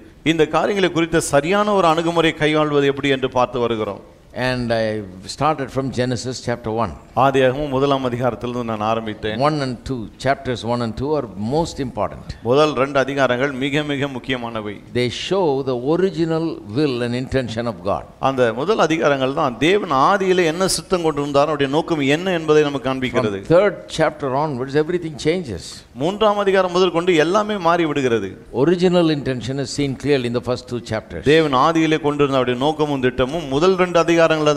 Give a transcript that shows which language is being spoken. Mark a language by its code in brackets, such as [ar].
[ta] இந்த காரியங்களை குறித்த சரியான ஒரு அணுகுமுறை கையாள்வது எப்படி என்று பார்த்து வருகிறோம். [en] And I started from Genesis chapter 1. [ta] ஆதியாகமம் முதலாம் அதிகாரத்திலிருந்து நான் ஆரம்பித்தேன். [en] 1 and 2 chapters 1 and 2 are most important. [ta] முதல் ரெண்டு அதிகாரங்கள் மிக மிக முக்கியமானவை. [en] They show the original will and intention of God. [ta] அந்த முதல் அதிகாரங்கள் தான் தேவன் ஆதியிலே என்ன சித்தம் கொண்டிருந்தாரோ அவருடைய நோக்கம் என்ன என்பதை நமக்கு காண்பிக்கிறது. [en] From 3rd chapter onwards everything changes. [ta] மூன்றாம் அதிகாரம் முதல் கொண்டு எல்லாமே மாறி விடுகிறது. [en] Original intention is seen clearly in the first 2 chapters. [ta] தேவன் ஆதியிலே கொண்டிருந்த அவருடைய நோக்கமும் திட்டமும் முதல் ரெண்டு அதிகாரம்